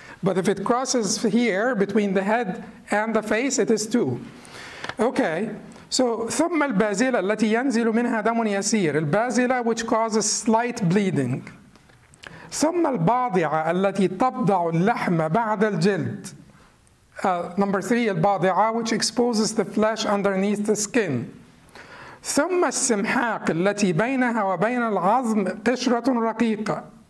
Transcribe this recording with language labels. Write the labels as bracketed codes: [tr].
[en] But if it crosses here between the head and the face, it is 2. Okay, so [ar] ثم البازلة التي ينزل منها دم يسير, [en] البازلة which causes slight bleeding. [ar] ثم البضعة التي تبضع اللحم بعد الجلد. [en] Number 3, البضعة which exposes the flesh underneath the skin. [ar] ثم السمحاق التي بينها وبين العظم قشرة رقيقة.